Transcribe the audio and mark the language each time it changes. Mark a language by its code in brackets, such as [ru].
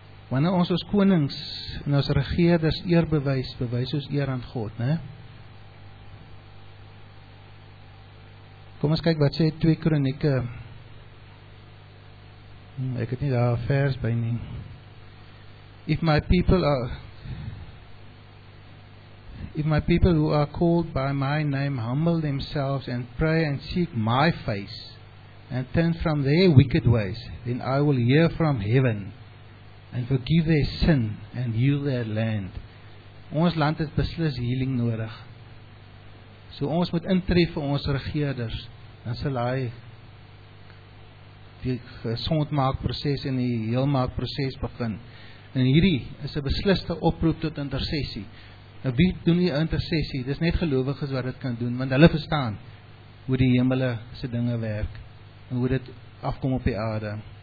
[af] Wanneer ons als konings en als regeerders eer bewys, bewys ons eer aan God, ne? Kom ons kyk wat sê 2 Kronieke. Ek het nie daar vers by nie. [en] If my people who are called by my name humble themselves and pray and seek my face and turn from their wicked ways, then I will hear from heaven and forgive their sin and heal their land. [af] Ons land het beslis healing nodig. So ons moet intree vir ons regerders, dan sal hy die gesondmaakproses en die heelmaakproses begin. En hierdie is 'n besliste oproep tot intercessie. Nou wie doen die intercessie? Dis net gelowiges wat dit kan doen, want hulle verstaan hoe die hemele se dinge werk en hoe dit afkom op die aarde.